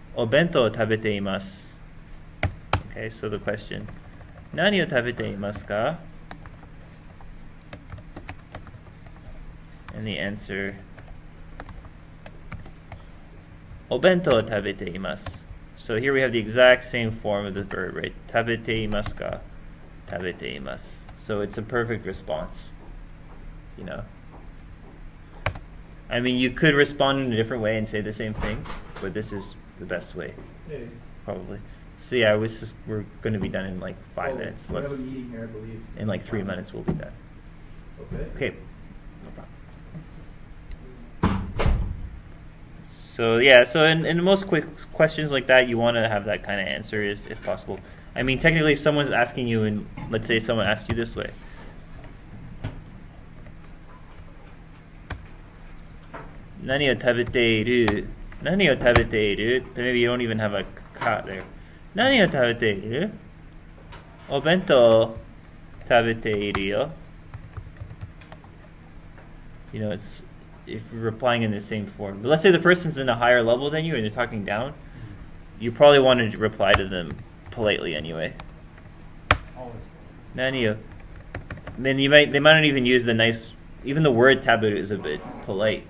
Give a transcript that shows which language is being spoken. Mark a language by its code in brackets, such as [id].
[ja] お弁当を食べています。 [en] Okay, so the question. [ja] 何を食べていますか? [en] And the answer. [ja] お弁当を食べています。 [en] So here we have the exact same form of the verb, right? [ja] 食べていますか?食べています。 [en] So it's a perfect response. You know? I mean, you could respond in a different way and say the same thing, but this is the best way, yeah. Probably. So yeah, we're going to be done in like five minutes. We have a meeting here, I believe. In like 3 minutes, we'll be done. Okay. Okay. No problem. So yeah, so in most quick questions like that, you want to have that kind of answer if possible. I mean, technically, if someone's asking you, and let's say someone asked you this way, [ja] 何を食べている? 何を食べている? って、 [en] maybe you don't even have a ka there. [ja] 何を食べている? お弁当を食べているよ。 [en] You know, it's if you're replying in the same form. But let's say the person's in a higher level than you and they're talking down, you probably want to reply to them politely anyway. Always. [ja] 何を? [en] Then they might not even use the nice, even the word taberu is a bit polite.